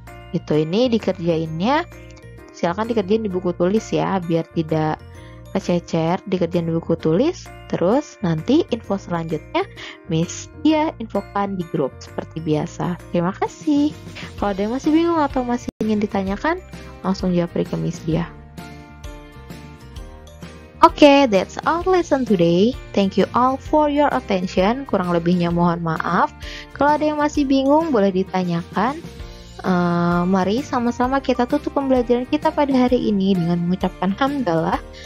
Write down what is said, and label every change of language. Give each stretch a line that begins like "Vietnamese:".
Indonesian: Itu ini dikerjainnya, silakan dikerjain di buku tulis ya, biar tidak kececer, dikerjain di buku tulis. Terus nanti info selanjutnya Miss dia infokan di grup seperti biasa. Terima kasih. Kalau ada yang masih bingung atau masih ingin ditanyakan, langsung japri ke Miss dia.
English: Okay, that's our lesson today. Thank you all for your attention.
Indonesian: Kurang lebihnya mohon maaf. Kalau ada yang masih bingung, boleh ditanyakan. Mari sama-sama kita tutup pembelajaran kita pada hari ini dengan mengucapkan hamdalah.